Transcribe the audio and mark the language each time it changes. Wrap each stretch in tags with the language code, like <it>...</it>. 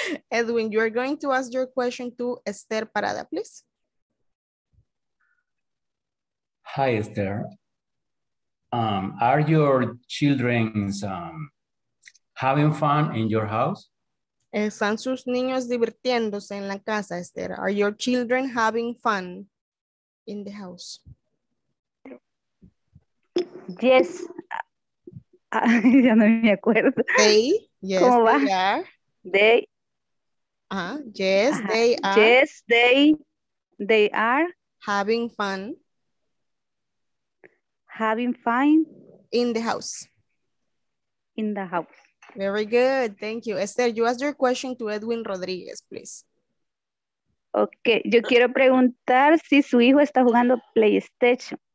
<en>Edwin, you are going to ask your question to Esther Parada, please. Hi, Esther. Are your children having fun in your house?</en> <es>¿Están sus niños divirtiéndose en la casa, Esther?</es> <en>Are your children having fun in the house? Yes.</en> <es>Ya no me acuerdo.</es> <en>They, yes,</en> <es>¿cómo va?</es> <en>They are. They. Yes, they are. Yes, they are. Having fun. Having fun. In the house. In the house. Very good. Thank you. Esther, you ask your question to Edwin Rodriguez, please. Okay.</en> <es>Yo quiero preguntar si su hijo está jugando PlayStation.</es>